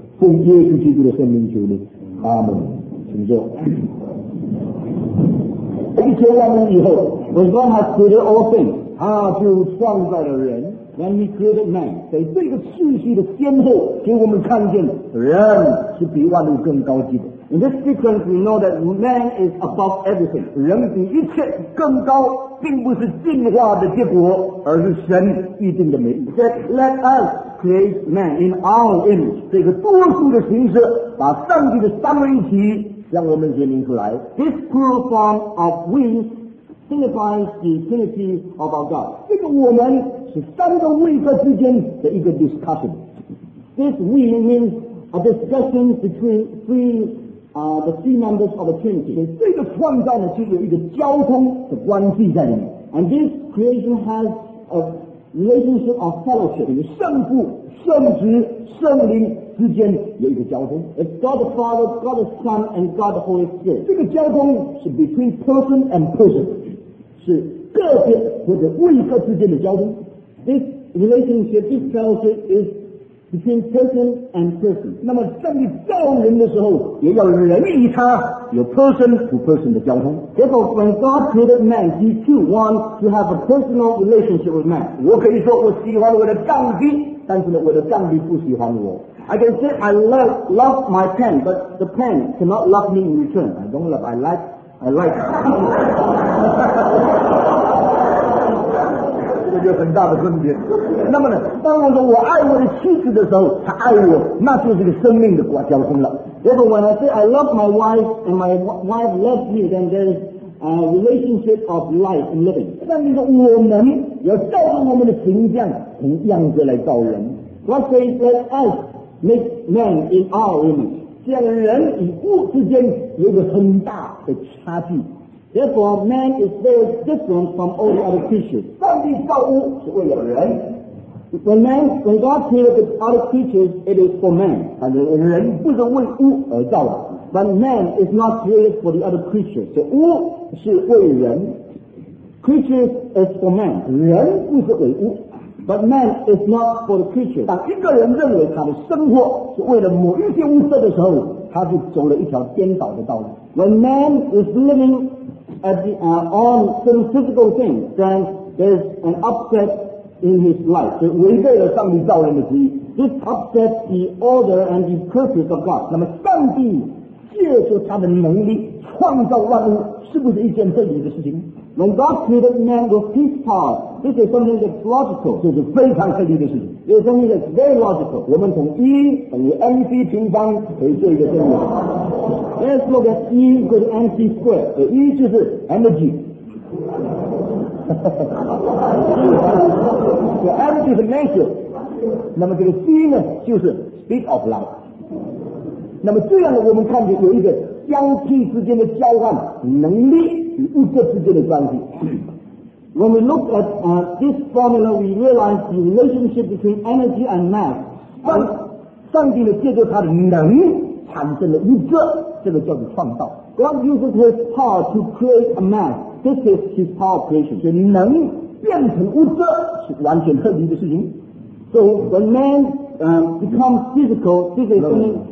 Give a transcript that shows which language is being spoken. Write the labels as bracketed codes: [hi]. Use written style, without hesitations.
[zh] 奉耶稣基督的圣名求你，阿门。请坐。一切万物以后 [en] ，When God has created all things， [zh] 他就创造了人。 [en] When He created man， [zh] 在这个次序的先后，给我们看见人是比万物更高级的。 [en] In this sequence, we know that man is above everything。 [zh] 人比一切更高，并不是进化的结果，而是神预定的美。 [en] He said, "Let us create man in our image." [zh] 这个多数的形式，把上帝的三位一体向我们显明出来。 [en] This plural form of we signifies the trinity of our God。 [zh] 这个我们是三个位格之间的一个 discussion。 [en] This we means a discussion between three members of the trinity。 [zh] 这个创造呢，是有一个交通的关系在里面。 [en] And this creation has a relationship of fellowship。 [zh] 与圣父、圣子、圣灵之间有一个交通。 [en] It's God the Father, God the Son, and God the Holy Spirit。 [zh] 这个交通是 [en] between person and person， [zh] 是个别或者位格之间的交通。 [en] This relationship, this fellowship is between person and person。 [zh] 那么上帝造人的时候，也要人与他有 [en] person to person [zh] 的交通。 [en] Therefore, when God created man, He too wants to have a personal relationship with man。 [zh] 我可以说我喜欢我的上帝，但是呢，我的上帝不喜欢我。 [en] I can say I love my pen, but the pen cannot love me in return. I don't love, I like. [zh] 有很大的分别。那么呢，当我说我爱我的妻子的时候，他爱我，那就是个生命的交通了。 [en] Therefore, when I say I love my wife and my wife loves me, then there is a relationship of life and living。 [zh] 那你说我们要照着我们的形象，从样子来造人。 [en] God says, "Let us make man in our image." [zh] 这样人与物之间有个很大的差距。 [en] Therefore, man is very different from all the other creatures. [zh] 上帝造物是为了人。 [en] When God created the other creatures, it is for man. [zh] 但是人不是为物而造的。 [en] But man is not created for the other creatures. [zh] 物是为人。 [en] Creatures is for man. [zh] 人不是为物。 [en] But man is not for the creatures. [zh] 当一个人认为他的生活是为了某一些物质的时候，他就走了一条颠倒的道路。 [en] When man is living on some physical things, then there's an upset in his life. [zh] 是违背了上帝造人的旨意。 [en] This upset the order and the purpose of God. [zh] 那么上帝借着他的能力创造万物，是不是一件合理的事情？ [en] When God created man with his power, this is something that's logical. [zh] 这是非常合理的事情。 [en] It's something that's very logical. [zh] 我们从E等于 MC 平方可以做一个证明。 [en] Let's look at E equals MC squared. [zh] E 就是 energy. [en] The energy is nature. [zh] 那么这个 C 呢，就是 [en] speed of light. [zh] 那么这样呢，我们看见有一个相替之间的交换，能力与物质之间的关系。 [en] When we look at this formula, we realize the relationship between energy and mass. [zh] 上帝呢，借助他的能产生了物质。这个叫做创造。 [en] God uses His power to create a man. This is His power creation. [zh] 就能变成物质是完全特别的事情。 [en] So when man becomes physical, this is something.